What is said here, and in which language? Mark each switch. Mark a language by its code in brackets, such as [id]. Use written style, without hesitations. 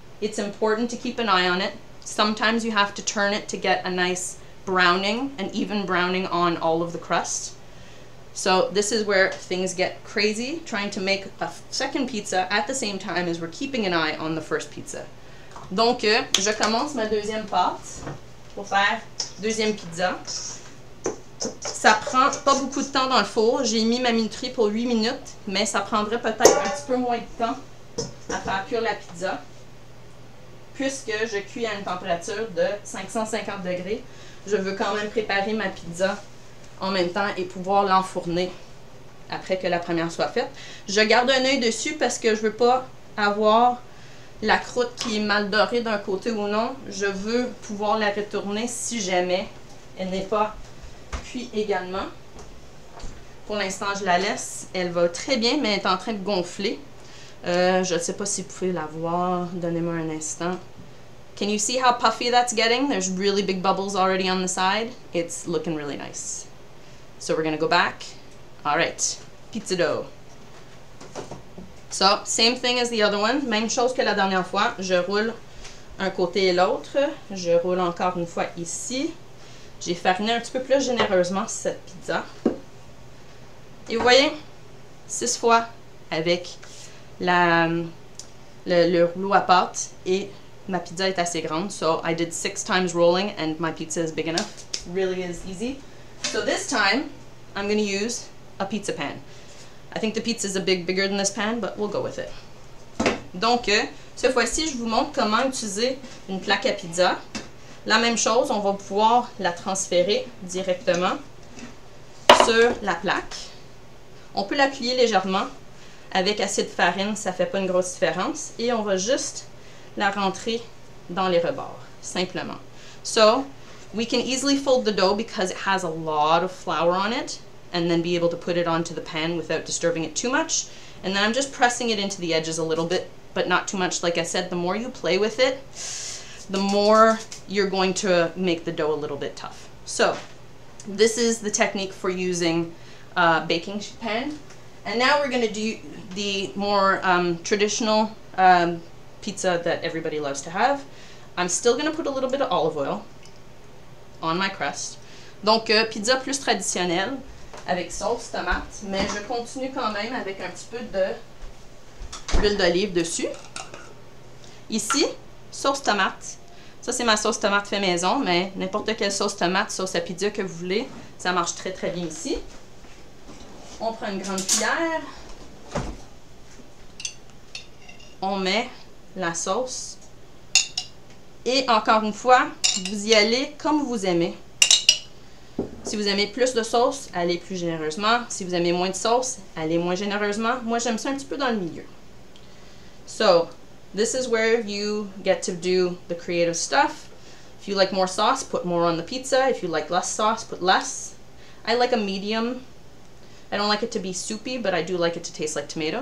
[en] It's important to keep an eye on it. Sometimes you have to turn it to get a nice browning, an even browning on all of the crust. So this is where things get crazy, trying to make a second pizza at the same time as we're keeping an eye on the first pizza. [fr] Donc, je commence ma deuxième pâte pour faire deuxième pizza. Ça prend pas beaucoup de temps dans le four. J'ai mis ma minuterie pour 8 minutes, mais ça prendrait peut-être un petit peu moins de temps à faire cuire la pizza, puisque je cuis à une température de 550 degrés. Je veux quand même préparer ma pizza en même temps et pouvoir l'enfourner après que la première soit faite. Je garde un œil dessus parce que je veux pas avoir la croûte qui est mal dorée d'un côté ou non. Je veux pouvoir la retourner si jamais elle n'est pas cuite également. Pour l'instant, je la laisse. Elle va très bien, mais elle est en train de gonfler. Je ne sais pas si vous pouvez la voir. Donnez-moi un instant. [en] Can you see how puffy that's getting? There's really big bubbles already on the side. It's looking really nice. So we're gonna go back. All right, pizza dough. So, same thing as the other one. [fr] Même chose que la dernière fois. Je roule un côté et l'autre. Je roule encore une fois ici. J'ai fariné un petit peu plus généreusement cette pizza. Et vous voyez, 6 fois avec le rouleau à pâte et ma pizza est assez grande. [en] So, I did 6 times rolling and my pizza is big enough. Really is easy. So, this time, I'm going to use a pizza pan. I think the pizza is a bit bigger than this pan, but we'll go with it. [fr] Donc, cette fois-ci, je vous montre comment utiliser une plaque à pizza. La même chose, on va pouvoir la transférer directement sur la plaque. On peut la plier légèrement avec assez de farine, ça ne fait pas une grosse différence. Et on va juste la rentrer dans les rebords, simplement. [en] So, we can easily fold the dough because it has a lot of flour on it, and then be able to put it onto the pan without disturbing it too much. And then I'm just pressing it into the edges a little bit, but not too much. Like I said, the more you play with it, the more you're going to make the dough a little bit tough. So this is the technique for using a baking pan. And now we're gonna do the more traditional pizza that everybody loves to have. I'm still gonna put a little bit of olive oil on my crust. [fr] Donc pizza plus traditionnelle, avec sauce tomate, mais je continue quand même avec un petit peu de huile d'olive dessus. Ici, sauce tomate. Ça, c'est ma sauce tomate fait maison, mais n'importe quelle sauce tomate, sauce à pizza que vous voulez, ça marche très, très bien ici. On prend une grande cuillère. On met la sauce. Et encore une fois, vous y allez comme vous aimez. Si vous aimez plus de sauce, allez plus généreusement. Si vous aimez moins de sauce, allez moins généreusement. Moi, j'aime ça un petit peu dans le milieu. [en] So, this is where you get to do the creative stuff. If you like more sauce, put more on the pizza. If you like less sauce, put less. I like a medium. I don't like it to be soupy, but I do like it to taste like tomato.